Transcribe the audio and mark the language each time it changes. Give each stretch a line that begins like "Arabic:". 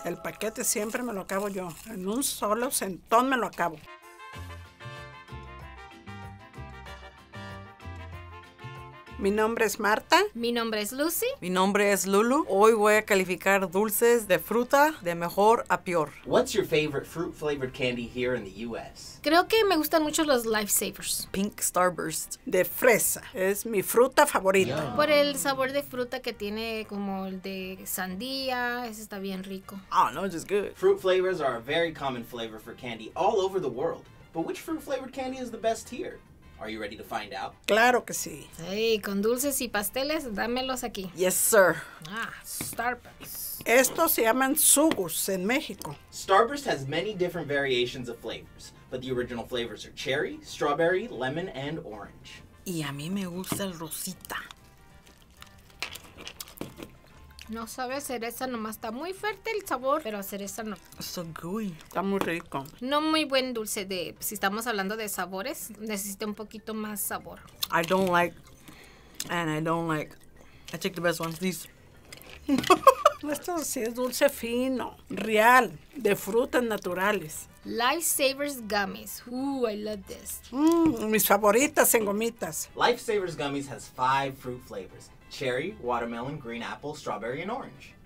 Spanish: El paquete siempre me lo acabo yo. En un solo sentón me lo acabo. Mi nombre es Marta. Mi nombre es Lucy. Mi nombre es Lulu. Hoy voy a calificar dulces de fruta de mejor a peor.
English: What's your favorite fruit-flavored candy here in the U.S.?
Spanish: Creo que me gustan mucho los Lifesavers. Pink Starburst. De fresa. Es mi fruta favorita. Yum. Por el sabor de fruta que tiene, como el de sandía, ese está bien rico.
English: Oh, no, it's just good. Fruit flavors are a very common flavor for candy all over the world. But which fruit-flavored candy is the best here? Are you ready to find out?
Spanish: Claro que sí. Sí, con dulces y pasteles, dámelos aquí.
English: Yes, sir. Ah, Starburst.
Spanish: Estos se llaman sugos en México.
English: Starburst has many different variations of flavors, but the original flavors are cherry, strawberry, lemon, and orange.
Spanish: Y a mí me gusta el rosita. No sabe a cereza, nomás está muy fuerte el sabor, pero a cereza no.
English: So good.
Spanish: Está muy rico. No muy buen dulce de, si estamos hablando de sabores, necesita un poquito más sabor.
English: I don't like, and I don't like, I take the best ones, these.
Spanish: Esto sí es dulce fino, real, de frutas naturales.
English: Lifesavers gummies. Ooh, I love this.
Spanish: Mis favoritas en gomitas.
English: Lifesavers gummies has 5 fruit flavors. Cherry, watermelon, green apple, strawberry, and orange.